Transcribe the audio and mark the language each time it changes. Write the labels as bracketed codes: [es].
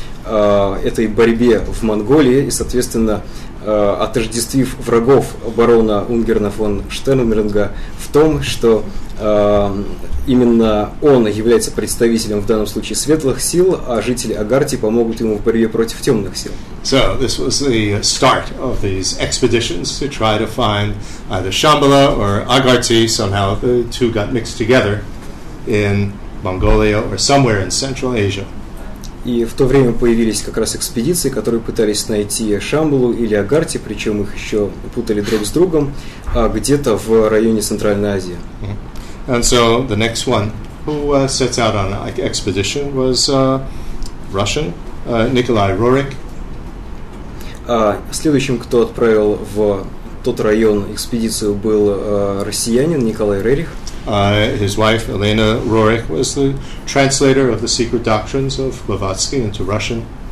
[ru] этой борьбе в Монголии, и, соответственно, отождествив врагов барона Унгерна фон Штернберга в том, что именно он является представителем в данном случае светлых сил, а жители Агарти помогут ему в борьбе против темных сил. [en] So this was the start of these expeditions to try to find either Shambhala or Agarti. Somehow the two got mixed together in Mongolia or somewhere in Central Asia. [ru] И в то время появились как раз экспедиции, которые пытались найти Шамбалу или Агарти, причем их еще путали друг с другом, где-то в районе Центральной Азии. [en] And so the next one who sets out on an expedition was Russian Nikolai Rurik. [ru] Следующим, кто отправил в тот район экспедицию, был россиянин Николай Рерих. [en] His wife, Elena Rurik, was the translator of the secret doctrines of Blavatsky into Russian.